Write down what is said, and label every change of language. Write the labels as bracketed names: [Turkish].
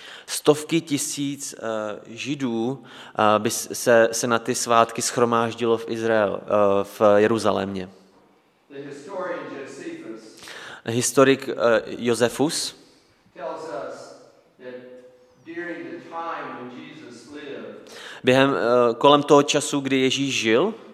[Czech] Stovky tisíc Židů by se na ty svátky shromáždilo v Izraeli, v Jeruzalémě. [English] The historian Josephus. [Czech] Historik Josephus. [English] Tells us that during the time when Jesus lived. [Czech] Během kolem toho času, kdy Ježíš žil.